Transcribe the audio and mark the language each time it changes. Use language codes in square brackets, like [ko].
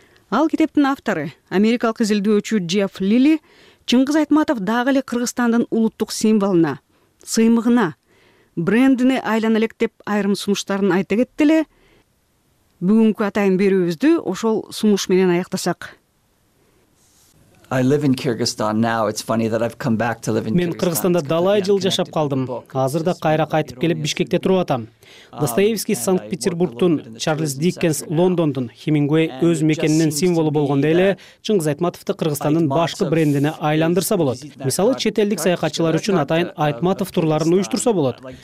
[ky] Ал китептин автору, америкалык изилдөөчү Джефф Лили, Чыңгыз Айтматов дагы эле Кыргызстандын улуттук символуна, сыймыгына, брендине айлана элек деп айрым сунуштарын айта кетти эле. Бүгүнкү атайын берүүбүздү ошол сунуш менен аяктасак. [en] I live in Kyrgyzstan now. It's funny that I've come back to live in Kyrgyzstan. [ky] Мен Кыргызстанда далай жыл жашап калдым. Азыр да кайра кайтып келип Бишкекте туруп атам. Достоевский Санкт-Петербургтун, Чарльз Диккенс Лондондун, Хемингуэй өз мекенинин символу болгондой эле Чыңгыз Айтматовду Кыргызстандын башкы брендине айландырса болот. Мисалы, чет элдик саякатчылар үчүн атайын Айтматов турларын уюштурса болот.